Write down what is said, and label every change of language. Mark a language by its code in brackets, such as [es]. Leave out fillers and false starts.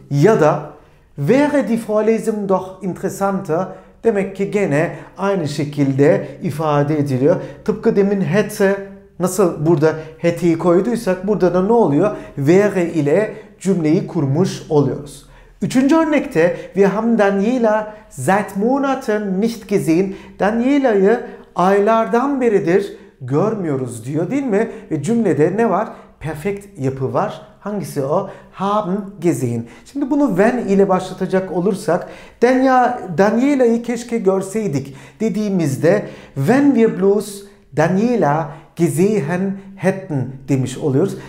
[de] Ja da wäre die Vorlesung doch interessanter. [tr] Demek ki gene aynı şekilde ifade ediliyor. Tıpkı demin hätte nasıl burada hätte'yi koyduysak burada da ne oluyor? Wäre ile cümleyi kurmuş oluyoruz. [de] Üçüncü örnekte wir haben Daniela seit Monaten nicht gesehen. [tr] Daniela'yı aylardan beridir görmüyoruz diyor değil mi? Ve cümlede ne var? Perfekt yapı var. Hangisi o? [de] Haben gesehen. [tr] Şimdi bunu wenn ile başlatacak olursak Daniela'yı keşke görseydik dediğimizde wenn wir bloß Daniela gesehen hätten demiş oluyoruz.